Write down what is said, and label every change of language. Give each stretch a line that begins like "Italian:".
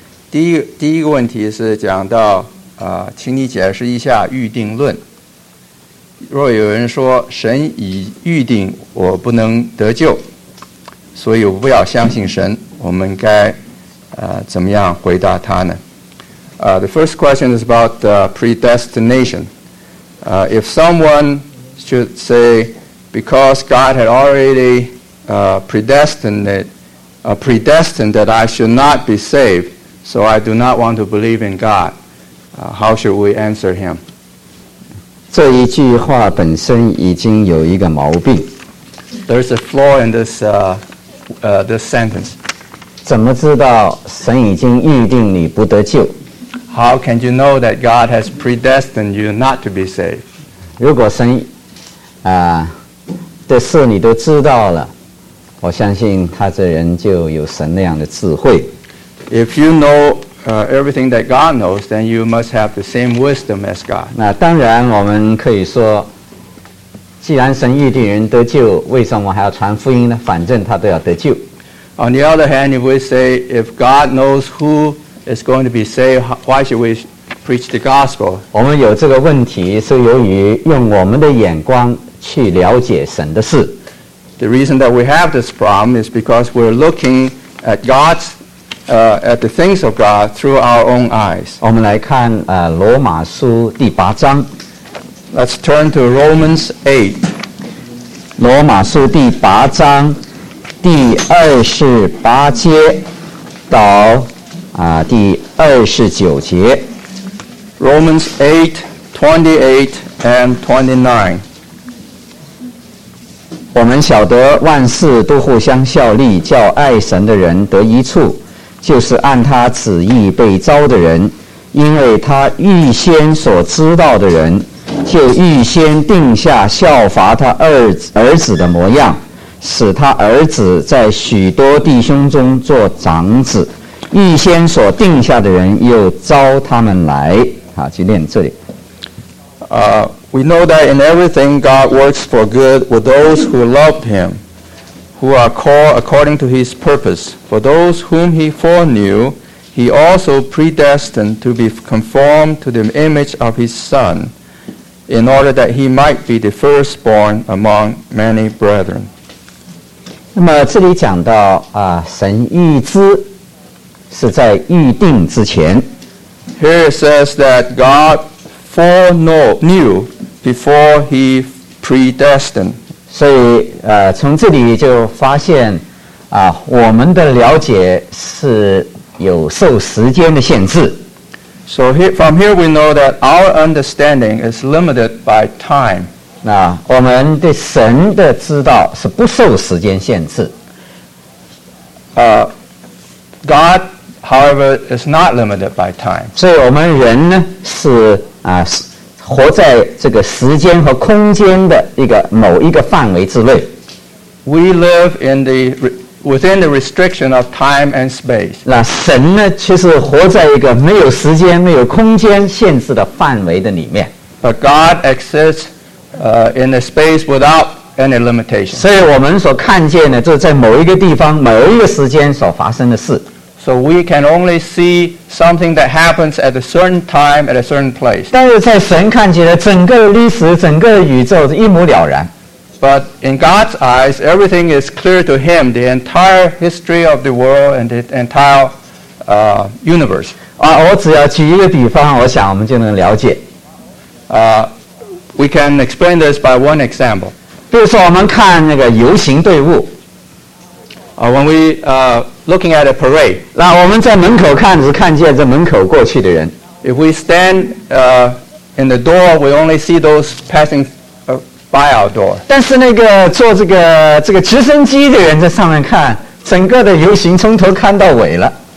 Chinese: 第一个问题是讲到请你解释一下预定论。若有人说神已预定我不能得救，所以我不要相信神，我们该怎么样回答他呢？
English: The first question is about predestination. If someone should say because God had already predestined that I should not be saved, so I do not want to believe in God, how should we answer him?
Chinese: 这一句话本身已经有一个毛病。
English: There's a flaw in this, this sentence.
Chinese: 怎么知道神已经预定你不得救？
English: How can you know that God has predestined you not to be saved?
Chinese: 如果神的事你都知道了，我相信他这人就有神那样的智慧。
English: If you know everything that God knows, then you must have the same wisdom as God.
Chinese: 那当然我们可以说，既然神预定人得救，为什么还要传福音呢？反正他都要得救。
English: On the other hand, if we say, if God knows who is going to be saved, why should we preach the gospel?
Chinese: 我们有这个问题是由于用我们的眼光去了解神的事。
English: The reason that we have this problem is because we're looking at God's, at the things of God through our own eyes.
Chinese: 我们来看罗马书第八章。
English: Let's turn to Romans 8.
Chinese: 罗马书第八章第二十八节到第二十九节。
English: Romans 8:28-29.
Chinese: 我们晓得万事都互相效力，叫爱神的人得益处，就是按他旨意被召的人，因为他预先所知道的人，就预先定下效法他儿子的模样，使他儿子在许多弟兄中做长子。预先所定下的人又召他们来。好，就念这里。
English: We know that in everything God works for good with those who love him, who are called according to his purpose. For those whom he foreknew, he also predestined to be conformed to the image of his son, in order that he might be the firstborn among many brethren.
Chinese: 那么这里讲到神预知是在预定之前。
English: Here it says that God foreknew before he predestined.
Chinese: 所以从这里就发现我们的了解是有受时间的限制。
English: So here, from here we know that our understanding is limited by time.
Chinese: 那我们对神的知道是不受时间限制。
English: God, however, is not limited by time.
Chinese: 所以我们人呢是活在这个时间和空间的一个某一个范围之内。
English: We live in the within the restriction of time and space.
Chinese: 那神呢，其实活在一个没有时间、没有空间限制的范围的里面。
English: But God exists, in a space without any limitation.
Chinese: 所以我们所看见的，就是在某一个地方、某一个时间所发生的事。
English: So we can only see something that happens at a certain time at a certain place.
Chinese: 但是在神看起来，整个历史、整个宇宙是一目了然。
English: But in God's eyes, everything is clear to Him. The entire history of the world and the entire universe.
Chinese: 我只要举一个比方，我想我们就能了解。
English: We can explain this by one example.
Chinese: 比如说，我们看那个游行队伍。
English: When we looking at a parade,
Chinese: 那我们在门口看，只看见这门口过去的人。
English: If we stand in the door, we only see those passing by our door.
Chinese: 但是那个坐这个直升机的人在上面看，整个的游行从头看到尾了。